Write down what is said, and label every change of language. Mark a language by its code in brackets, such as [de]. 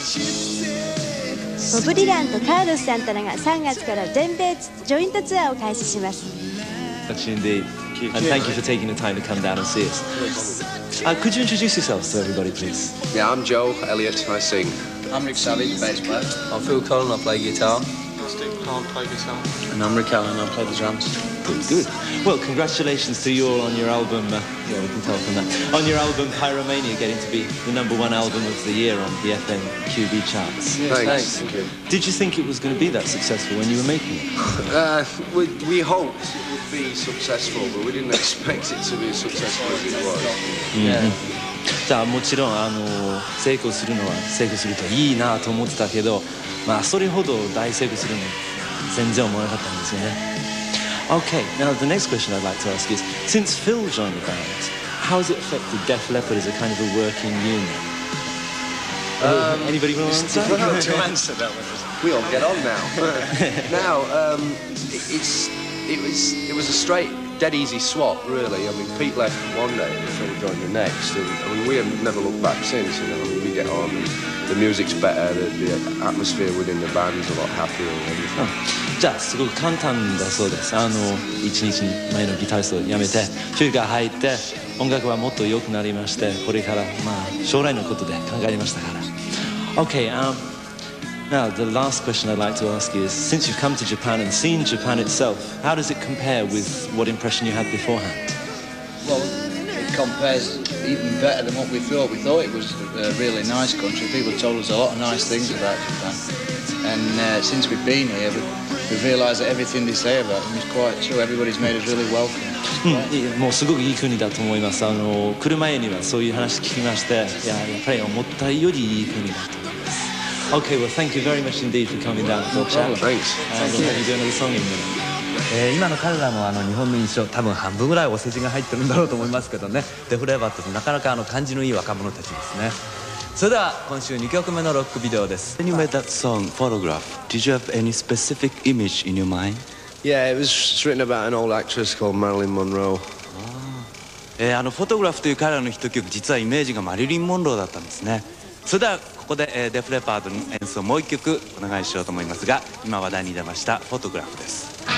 [ja] サンタナが3月から全米ジョイントツアーを開始します。 [en] That's indeed. And thank you for taking the time to come down and see us. Could you introduce yourselves to everybody, please? Yeah, I'm Joe Elliott, I sing. I'm Nick Savage, bass player. I'm Phil Collin, I play guitar. I'm Steve Collin, play guitar. And I'm Rick Allen, I play the drums. Pretty good. Well, congratulations to you all on your album, yeah, we can tell from that, on your album Pyromania, getting to be the number one album of the year on the FMQB charts. Thanks. Thank you. Did you think it was going to be that successful when you were making it? We hoped it would be successful, but we didn't expect it to be as successful as it was. Yeah. [ja] たもちろんあの成功するのは成功するといいなと思ってたけど、まあそれほど大成功するの全然思わなかったんですよね。 [en] Okay, now the next question I'd like to ask is, since Phil joined the band, how has it affected Def Leppard as a kind of a working union? Anybody want to answer? It's difficult to answer that one. We all get on now. Now, it was a straight, dead easy swap, really. I mean, Pete left one day and Phil joined the next. And, I mean, we have never looked back since, you know. We get on, and the music's better, the atmosphere within the band's a lot happier and everything. [ja] じゃあすごく簡単だそうです。あの1日前のギタリストをやめてフィルが入って音楽はもっと良くなりまして、これからまあ将来のことで考えましたから。 [en] OK、now the last question I'd like to ask you is, since you've come to Japan and seen Japan itself, how does it compare with what impression you had beforehand? Well, it compares even better than what we thought. It was a really nice country. People told us a lot of nice things about Japan, and since we've been here, we realize that everything they say about them is quite true. Everybody's made us really welcome. [ja] もうすごくいい国だと思います。あの来る前にはそういう話聞きまして、やっぱり思ったよりいい国だと思います。 [en] Okay, well, thank you very much indeed for coming down. No problem. Thanks. [ja] 今の彼らの、 あの日本の印象、多分半分ぐらいお世辞が入ってるんだろうと思いますけどね。デフレバーってなかなかあの感じのいい若者たちですね。それでは今週2曲目のロックビデオです。 [en] When you made that song Photograph, did you have any specific image in your mind? Yeah, it was written about an old actress called Marilyn Monroe. [ja] あのフォトグラフという彼らのヒット曲、実はイメージがマリリン・モンローだったんですね。それではここで、デフレパードの演奏もう1曲お願いしようと思いますが、今話題に出ましたフォトグラフです。